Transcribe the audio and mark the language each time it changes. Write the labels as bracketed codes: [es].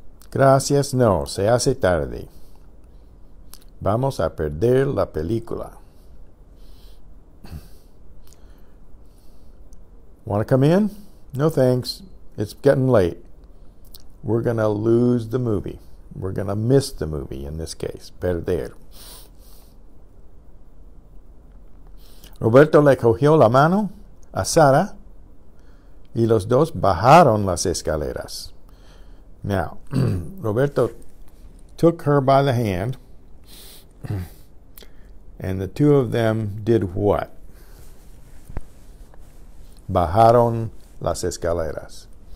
[es] Gracias, no. Se hace tarde. Vamos a perder la película. [en] Want to come in? No, thanks. It's getting late. We're going to lose the movie. We're going to miss the movie in this case. [es] Perder. Roberto le cogió la mano a Sara y los dos bajaron las escaleras. [en] Now, Roberto took her by the hand and the two of them did what? [es] Bajaron las escaleras.